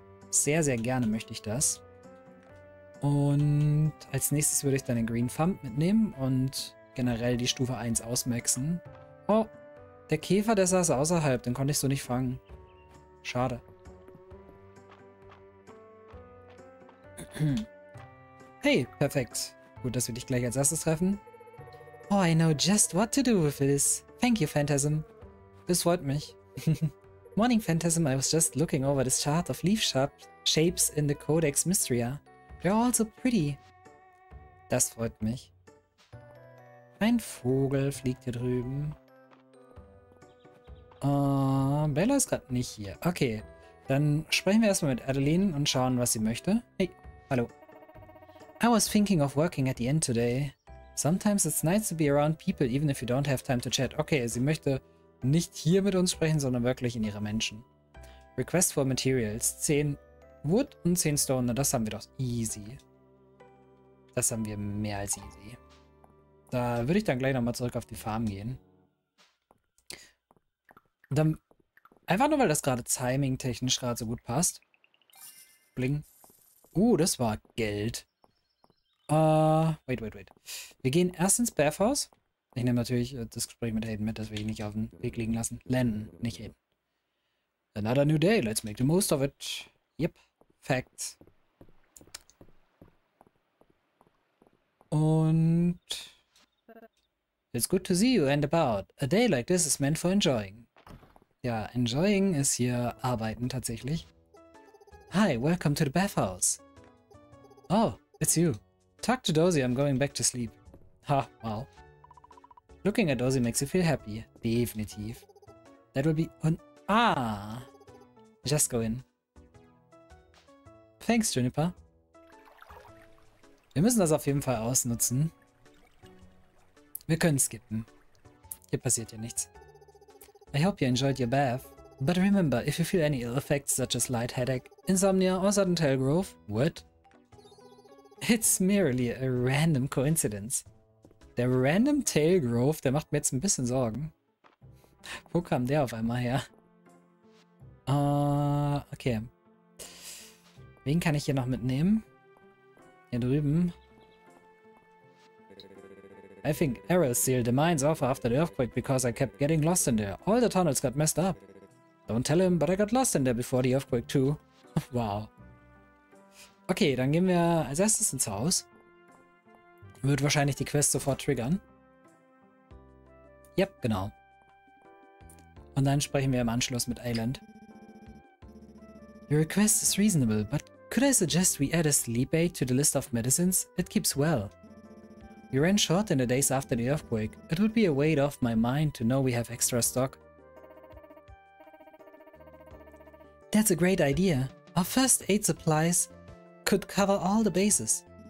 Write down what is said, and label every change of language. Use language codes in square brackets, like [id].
[de] Sehr, sehr gerne möchte ich das. Und als nächstes würde ich dann den Green Thumb mitnehmen und generell die Stufe 1 ausmaxen. Oh, der Käfer, der saß außerhalb, den konnte ich so nicht fangen. Schade. Hey, perfekt. Gut, dass wir dich gleich als erstes treffen. [en] Oh, I know just what to do with this. Thank you, Phantasm. [de] Das freut mich. [en] Morning, Phantasm. I was just looking over this chart of leaf shapes in the Codex Mystria. They're all so pretty. [de] Das freut mich. Ein Vogel fliegt hier drüben. Bella ist gerade nicht hier. Okay, dann sprechen wir erstmal mit Adeline und schauen, was sie möchte. Hey, hallo. [en] I was thinking of working at the end today. Sometimes it's nice to be around people, even if you don't have time to chat. [de] Okay, sie möchte nicht hier mit uns sprechen, sondern wirklich in ihrer Menschen. [en] Request for materials. 10 Wood und 10 Stone. [de] Das haben wir doch easy. Das haben wir mehr als easy. Da würde ich dann gleich nochmal zurück auf die Farm gehen. Dann einfach nur, weil das gerade timing-technisch gerade so gut passt. Bling. Das war Geld. [en] Wait. [de] Wir gehen erst ins Bathhaus. Ich nehme natürlich das Gespräch mit Hayden mit, dass wir ihn nicht auf den Weg liegen lassen. Landon, nicht Hayden. [en] Another new day, let's make the most of it. Yep, facts. Und... It's good to see you and about. A day like this is meant for enjoying. [de] Ja, enjoying ist hier arbeiten tatsächlich. [en] Hi, welcome to the bathhouse. Oh, it's you. Talk to Dozy, I'm going back to sleep. Ha, wow. Looking at Dozy makes you feel happy. Definitiv. That will be un... Ah! Just go in. Thanks, Juniper. [de] Wir müssen das auf jeden Fall ausnutzen. Wir können skippen. Hier passiert ja nichts. [en] I hope you enjoyed your bath. But remember, if you feel any ill effects such as light headache, insomnia or sudden tail growth, what? It's merely a random coincidence. [de] Der [en] random tail growth, [de] der macht mir jetzt ein bisschen Sorgen. Wo kam der auf einmal her? Okay. Wen kann ich hier noch mitnehmen? Hier drüben. [en] I think Errol sealed the mines off after the earthquake because I kept getting lost in there. All the tunnels got messed up. Don't tell him, but I got lost in there before the earthquake too. Wow. [de] Okay, dann gehen wir als erstes ins Haus. Wird wahrscheinlich die Quest sofort triggern. Yep, genau. Und dann sprechen wir im Anschluss mit Island. [en] Your request is reasonable, but could I suggest we add a sleep aid to the list of medicines? It keeps well. We ran short in the days after the earthquake. It would be a weight off my mind to know we have extra stock. That's a great idea. Our first aid supplies could cover all the bases.